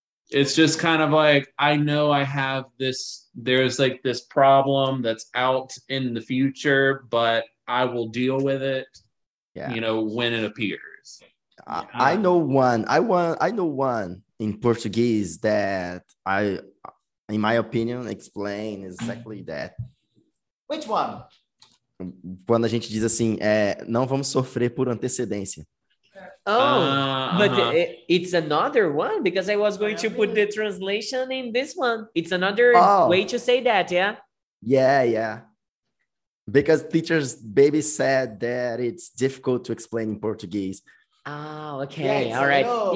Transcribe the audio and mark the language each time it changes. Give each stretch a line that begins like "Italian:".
English: It's just kind of like, I know I have this, there's like this problem that's out in the future, but I will deal with it, you know, when it appears. I know one in Portuguese that I, in my opinion, explain exactly that. Which one?
Portuguese: Quando a gente diz assim, não vamos sofrer por antecedência.
English: Oh, but it's another one because I was going to put the translation in this one. It's another way to say that, yeah? Yeah, yeah. Because teachers baby said that it's difficult to explain in Portuguese. Oh, okay. Yeah, all right.